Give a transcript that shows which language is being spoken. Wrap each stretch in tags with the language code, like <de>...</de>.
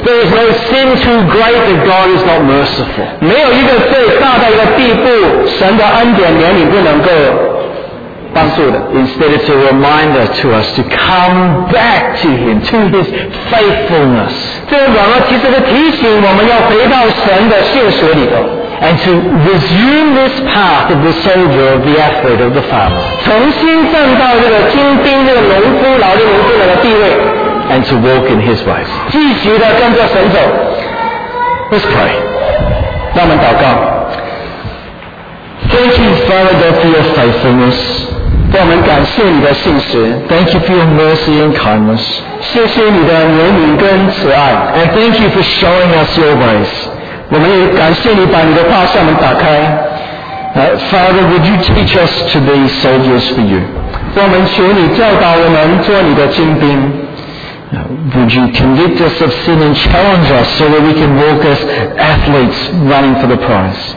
<en>There is no sin too great that God is not merciful.</en> <zh>没有一个最大的一个地步，神的恩典怜悯不能够帮助的。</zh> <en>Instead it's a reminder to us to come back to Him, to His faithfulness.</en> <zh>这个软弱其实是提醒我们要回到神的信实里头。</zh> <en>And to resume this path of the soldier, of the athlete, of the farmer.</en> <zh>重新站到这个精兵、这个农夫、劳力农夫的地位。</zh> <en>And to walk in his ways.</en> <zh>继续的跟着神走。</zh> <en>Let's pray.</en> <zh>让我们祷告。</zh> <en>Thank you, Father God, for your faithfulness.</en> <zh>让我们感谢你的信实。</zh> <en>Thank you for your mercy and kindness.</en> <zh>谢谢你的怜悯跟慈爱。</zh> <en>And thank you for showing us your ways.</en> <zh>我们也感谢你把你的话向我们打开。</zh> <en>Father, would you teach us to be soldiers for you?</en> <zh>让我们求你教导我们做你的精兵。</zh> <en>Would you convict us of sin and challenge us so that we can walk as athletes running for the prize?</en>